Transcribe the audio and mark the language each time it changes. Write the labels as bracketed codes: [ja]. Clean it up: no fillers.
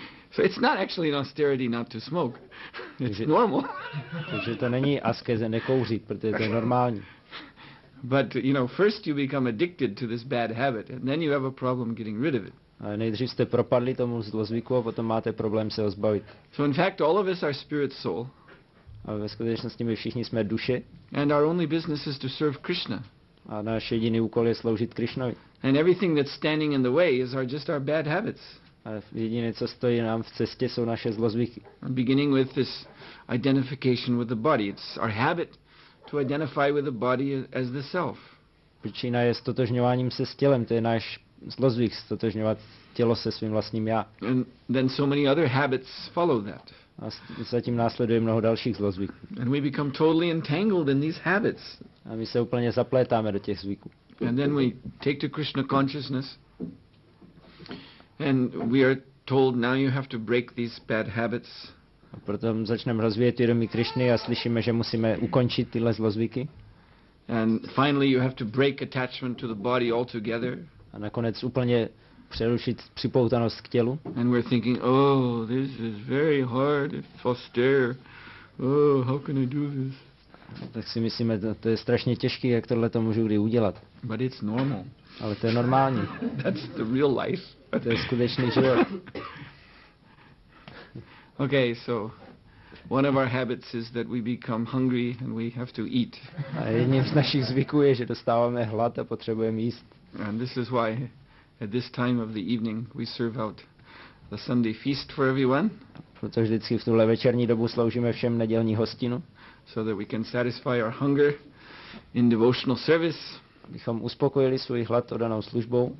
[en] So it's not actually an austerity not to smoke. It's normal. [cs] Takže to není askeze nekouřit, protože to je normální. [en] But you know, first you become addicted to this bad habit, and then you have a problem getting rid of it. [cs] Ale nejdřív jste propadli tomu zlozvyku a potom máte problém se ho zbavit. [en] So in fact, all of us are spirit soul. [cs] A ve skutečnosti my všichni jsme duše. [en] And our only business is to serve Krishna. [cs] A náš jediný úkol je sloužit Krishnovi. [en] And everything that's standing in the way is our just our bad habits. [cs] A jediné, co stojí nám v cestě, jsou naše zlozvyky. [en] Beginning with this identification with the body, it's our habit to identify with the body as the self. [cs] Příčina je stotožňováním se s tělem, to je náš zlozvyk, stotožňovat tělo se svým vlastním já. [en] And then so many other habits follow that. [cs] A zatím následuje mnoho dalších zlozvyků. [en] And we become totally entangled in these habits. [cs] A my se úplně zaplétáme do těch zvyků. [en] And then we take to Krishna consciousness. And we are told now you have to break these bad habits. [cs] A potom začneme rozvíjet vědomí Krišny a slyšíme, že musíme ukončit tyhle zlozvyky. [en] And finally you have to break attachment to the body altogether. [cs] A nakonec úplně přerušit připoutanost k tělu. [en] And we're thinking, oh, this is very hard, it's austere. Oh, how can I do this? [cs] Tak si myslíme, to je strašně těžké, jak tohle to můžu kdy udělat. [en] But it's normal. [cs] Ale to je normální. [en] That's the real life. [cs] To je skutečný život. [en] Okay, so one of our habits is that we become hungry and we have to eat. [cs] A jedním z našich zvyků je, že dostáváme hlad a potřebujeme jíst. [en] And this is why at this time of the evening we serve out the Sunday feast for everyone. [cs] Protože vždycky v tuhle večerní dobu sloužíme všem nedělní hostinu. [en] So that we can satisfy our hunger in devotional service. [cs] Abychom uspokojili svůj hlad oddanou službou.